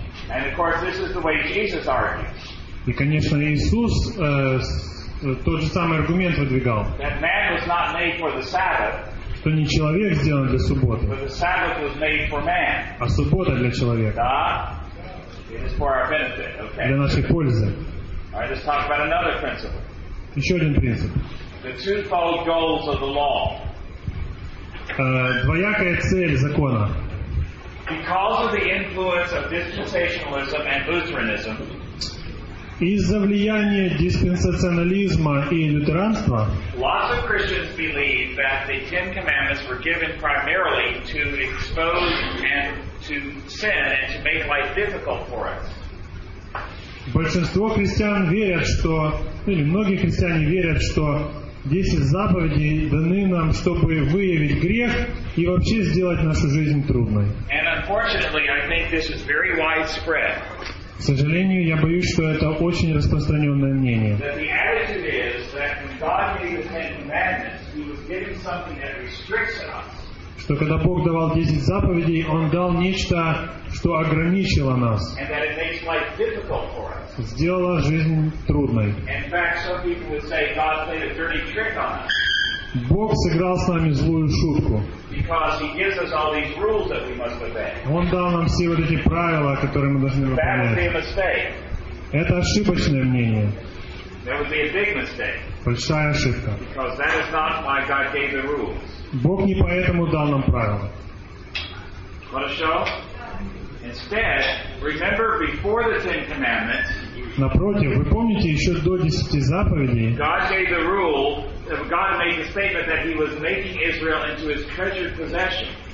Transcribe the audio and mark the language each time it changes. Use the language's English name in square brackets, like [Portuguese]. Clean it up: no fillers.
[English] And of course, this is the way Jesus argues. [Russian] И, конечно, Иисус тот же самый аргумент выдвигал. [English] That man was not made for the Sabbath, [Russian] что не человек сделан для субботы, [English] but the Sabbath was made for man. [Russian] А суббота для человека. [English] It is for our benefit. Okay. [Russian] Для нашей пользы. [English] All right, let's talk about another principle. [Russian] Еще один принцип. [English] The twofold goals of the law. [Russian] Двоякая цель закона. [English] Because of the influence of dispensationalism and Lutheranism. [Russian] Из-за влияния диспенсационализма и лютеранства. [English] Lots of Christians believe that the Ten Commandments were given primarily to expose and to sin and to make life difficult for us. [Russian] Большинство христиан верят, что, или многие христиане верят, что 10 заповедей даны нам, чтобы выявить грех и вообще сделать нашу жизнь трудной. [English] And unfortunately, I think this is very widespread. [Russian] К сожалению, я боюсь, что это очень распространенное мнение. [English] That the attitude is that when God gave the Ten Commandments, He was giving something that restricts us. [Russian] Что когда Бог давал 10 заповедей, Он дал нечто, что ограничило нас. [English] And that it makes life difficult for us. [Russian] Сделала жизнь трудной. [English] In fact, some people would say God played a dirty trick on us. [Russian] Бог сыграл с нами злую шутку. [English] Because he gives us all these rules that we must obey. [Russian] Он дал нам все вот эти правила, которые мы должны выполнять. [English] That would be a mistake. [Russian] Это ошибочное мнение. [English] That would be a big mistake. [Russian] Большая ошибка. [English] Because that is not why God gave the rules. [Russian] Бог не поэтому дал нам правила. Хорошо? [English] Instead, remember before the Ten Commandments. [Russian] Напротив, вы помните, еще до 10 заповедей [English] God gave the rule, God made the statement that he was making Israel into his treasured possession.